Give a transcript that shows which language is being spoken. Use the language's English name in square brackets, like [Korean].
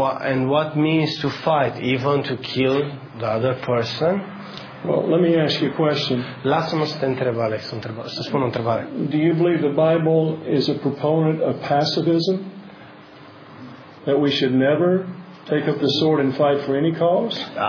[English] And what means to fight, even to kill the other person? Well, let me ask you a question. [Romanian] Lasă-mă să te întreb, Alex, să spun o întrebare. [English] Do you believe the Bible is a proponent of pacifism? That we should never take up the sword and fight for any cause?